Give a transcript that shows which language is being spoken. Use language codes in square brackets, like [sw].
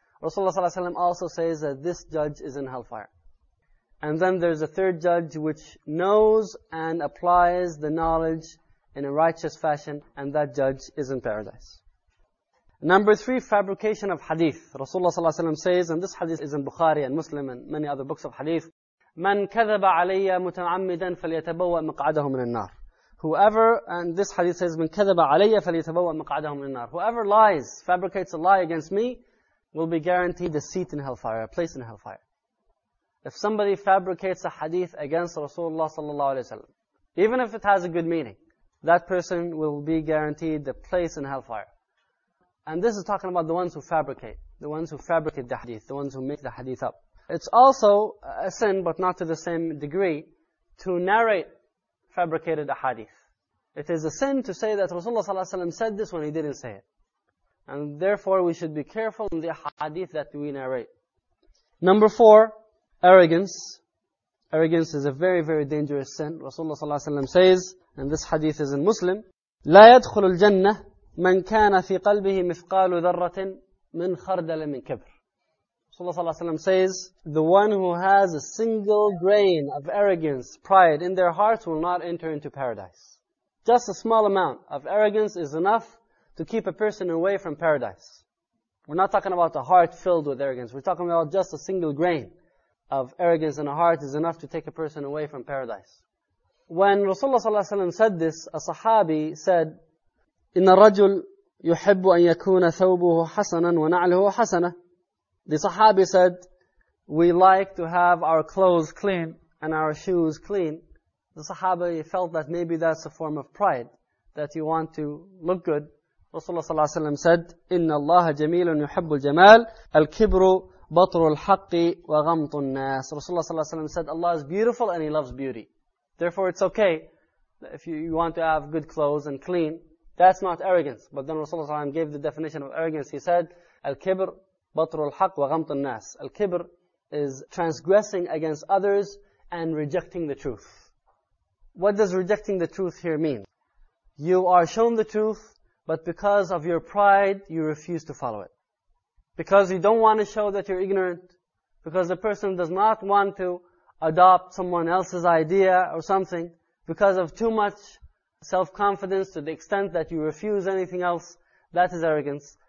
[en] Rasulullah ﷺ also says that this judge is in hellfire. And then there's a third judge which knows and applies the knowledge in a righteous fashion, and that judge is in paradise. Number three, fabrication of hadith. Rasulullah ﷺ says, and this hadith is in Bukhari and Muslim and many other books of hadith, [ar] مَنْ كَذَبَ عَلَيَّ مُتَعَمِّدًا فَلْيَتَبَوَّ مِقْعَدَهُ مِنَ النَّارِ. [en] Whoever, and this hadith says, [ar] مَنْ كَذَبَ عَلَيَّ فَلْيَتَبَوَّ مِقْعَدَهُ مِنَ النَّارِ. [en] Whoever lies, fabricates a lie against me, will be guaranteed a seat in hellfire, a place in hellfire. If somebody fabricates a hadith against Rasulullah ﷺ, even if it has a good meaning, that person will be guaranteed the place in hellfire. And this is talking about the ones who fabricate the hadith, the ones who make the hadith up. It's also a sin, but not to the same degree, to narrate fabricated a hadith. It is a sin to say that Rasulullah ﷺ said this when he didn't say it. And therefore, we should be careful in the hadith that we narrate. Number four, Arrogance is a very, very dangerous sin. Rasulullah sallallahu alayhi wa sallam says, and this hadith is in Muslim, [ar] لا يدخل الجنة من كان في قلبه مثقال ذرة من خردل من كبر. [en] Rasulullah sallallahu alayhi wa sallam says, the one who has a single grain of arrogance, pride in their hearts will not enter into paradise. Just a small amount of arrogance is enough to keep a person away from paradise. We're not talking about a heart filled with arrogance. We're talking about just a single grain of arrogance in a heart is enough to take a person away from paradise. When Rasulullah sallallahu alayhi wa sallam said this, a sahabi said, [ar] إِنَّ الرَّجُلْ يُحِبُّ أَن يَكُونَ ثَوْبُهُ حَسَنًا وَنَعْلُهُ حَسَنًا. [en] The sahabi said, we like to have our clothes clean and our shoes clean. The sahabi felt that maybe that's a form of pride, that you want to look good. Rasulullah sallallahu alayhi wa sallam said, [ar] إِنَّ اللَّهَ جَمِيلٌ يُحِبُّ الْجَمَالِ الْكِبْرُ بَطْرُ الْحَقِّ وَغَمْطُ النَّاسِ. [en] Rasulullah sallallahu alayhi wa sallam said, Allah is beautiful and He loves beauty. Therefore it's okay if you want to have good clothes and clean. That's not arrogance. But then Rasulullah sallallahu alayhi wa sallam gave the definition of arrogance. He said, [ar] الْكِبْرُ بَطْرُ الْحَقِّ وَغَمْطُ النَّاسِ. [en] Al-kibr is transgressing against others and rejecting the truth. What does rejecting the truth here mean? You are shown the truth, but because of your pride, you refuse to follow it. Because you don't want to show that you're ignorant, because the person does not want to adopt someone else's idea or something, because of too much self-confidence to the extent that you refuse anything else, that is arrogance.